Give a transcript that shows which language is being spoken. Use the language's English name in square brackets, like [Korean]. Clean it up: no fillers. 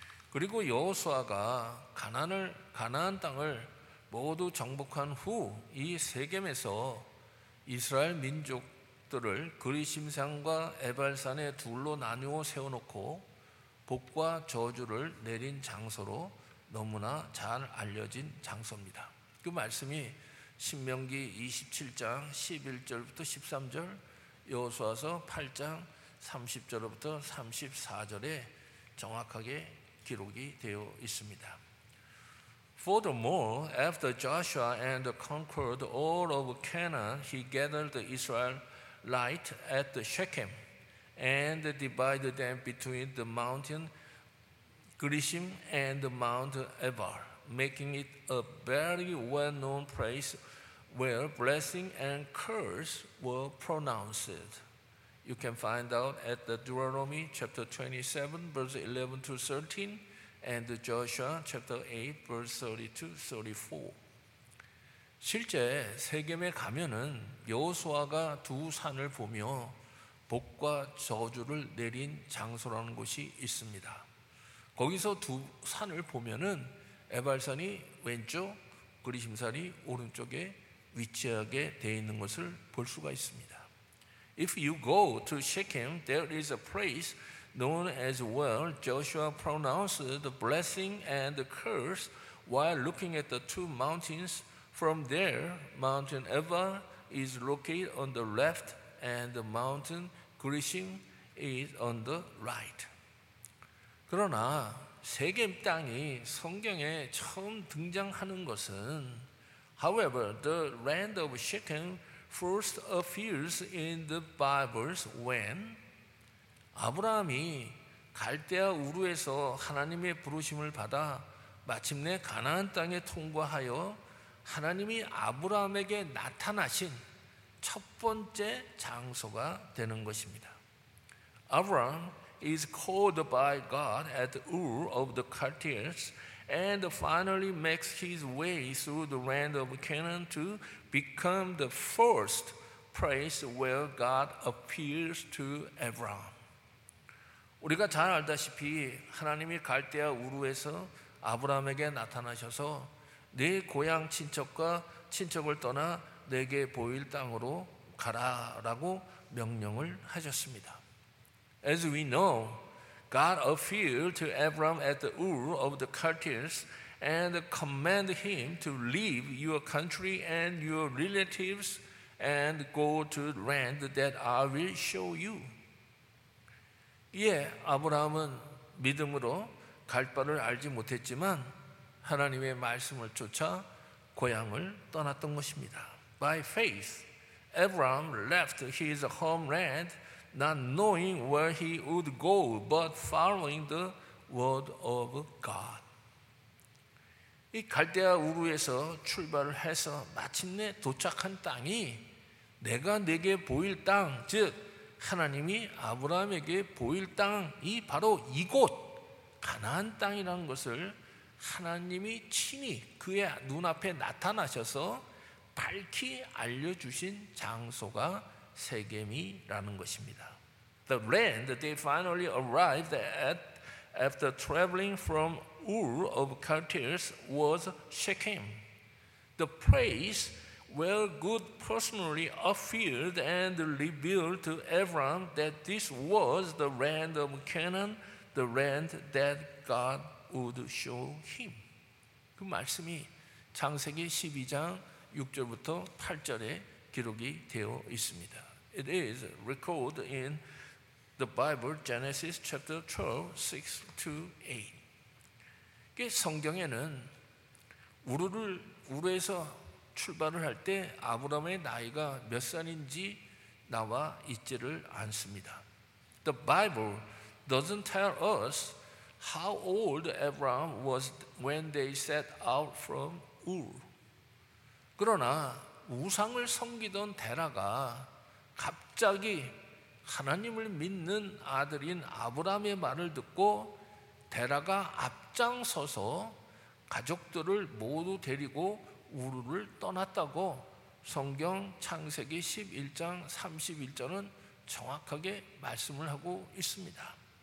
[Korean] 그리고 여호수아가 가나안 땅을 모두 정복한 후 이 세겜에서 이스라엘 민족들을 그리심산과 에발산에 둘로 나누어 세워놓고 복과 저주를 내린 장소로 너무나 잘 알려진 장소입니다. 그 말씀이 신명기 27장 11절부터 13절, 여호수아서 8장 30절부터 34절에 정확하게 기록이 되어 있습니다. [English] Furthermore, after Joshua and conquered all of Canaan, he gathered the Israelites at the Shechem and divided them between the mountain Gerizim and the Mount Ebal, making it a very well-known place where blessing and curse were pronounced. You can find out at the Deuteronomy chapter 27, verse 11 to 13, and Joshua chapter 8, verse 32-34. [Korean] 실제 세겜에 가면은 여호수아가 두 산을 보며 복과 저주를 내린 장소라는 곳이 있습니다. 거기서 두 산을 보면은 에발산이 왼쪽, 그리심산이 오른쪽에 위치하게 되어 있는 것을 볼 수가 있습니다. [English] If you go to Shechem, there is a place known as well. Joshua pronounced the blessing and the curse while looking at the two mountains. From there, Mountain Ebal is located on the left and the mountain Gerizim is on the right. [Korean] 그러나 세겜 땅이 성경에 처음 등장하는 것은 [English] However, the land of Shechem first appears in the Bibles when [Korean] 아브라함이 갈대아 우르에서 하나님의 부르심을 받아 마침내 가나안 땅에 통과하여 하나님이 아브라함에게 나타나신 첫 번째 장소가 되는 것입니다. [English] Abraham is called by God at the Ur of the Chaldeans and finally makes his way through the land of Canaan to become the first place where God appears to Abraham. [Korean] 우리가 잘 알다시피 하나님이 갈대아 우르에서 아브라함에게 나타나셔서 네 고향 친척과 친척을 떠나 내게 보일 땅으로 가라라고 명령을 하셨습니다. [English] As we know, God appeared to Abram at the Ur of the Chaldeans and commanded him to leave your country and your relatives and go to land that I will show you. [Korean] 예, 아브라함은 믿음으로 갈 바를 알지 못했지만 하나님의 말씀을 쫓아 고향을 떠났던 것입니다. [English] By faith, Abraham left his homeland, not knowing where he would go, but following the word of God. [Korean] 이 갈대아 우르에서 출발을 해서 마침내 도착한 땅이 내가 네게 보일 땅, 즉 하나님이 아브라함에게 보일 땅이 바로 이곳 가나안 땅이라는 것을 하나님이 친히 그의 눈앞에 나타나셔서 밝히 알려주신 장소가 세겜이라는 것입니다. [English] The land they finally arrived at after traveling from Ur of Chaldeans was Shechem, the place where God personally appeared and revealed to Abraham that this was the land of Canaan, the land that God would show him. [Korean] 그 말씀이 창세기 12장 6절부터 8절에 기록이 되어 있습니다. [English] It is recorded in the Bible, Genesis chapter 12, 6 to 8. [Korean] 그 성경에는 우르에서 출발을 할 때 아브라함의 나이가 몇 살인지 나와 있지를 않습니다. [English] The Bible doesn't tell us how old Abraham was when they set out from Ur. [Korean] 그러나 우상을 섬기던 데라가 갑자기 하나님을 믿는 아들인 아브라함의 말을 듣고 데라가 앞장서서 가족들을 모두 데리고 우르를 떠났다고 성경 창세기 11장 31절은 정확하게 말씀을 하고 있습니다.